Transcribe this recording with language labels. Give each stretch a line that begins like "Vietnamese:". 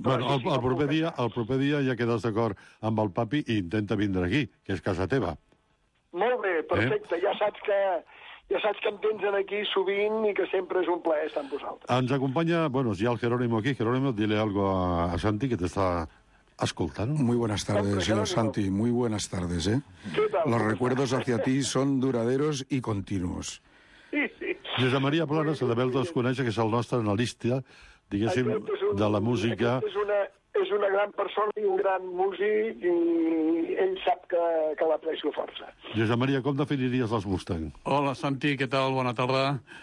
Catalan: Bueno, però, el proper dia ja quedes d'acord amb el papi i intenta vindre aquí, que és casa teva. Molt bé, perfecte, eh? Ja saps que em tens aquí sovint i que sempre és un plaer estar amb vosaltres. Ens acompanya, bueno, si hi ha el Jerónimo aquí. Jerónimo,
Spanish: dile algo a Santi,
Catalan: que t'està escoltant.
Spanish: Muy buenas tardes, señor Santi. Muy buenas tardes, ¿eh? Los recuerdos hacia ti son duraderos y continuos. Sí, sí.
Catalan: Josep Maria Planas, a la Bel dels Coneixes, que és el nostre analista, diguéssim, de la música. És una gran persona i un gran músic, i ell sap que l'aprecio força. Josep Maria, com definiries els Mustangs? Hola, Santi, què tal? Bona tarda.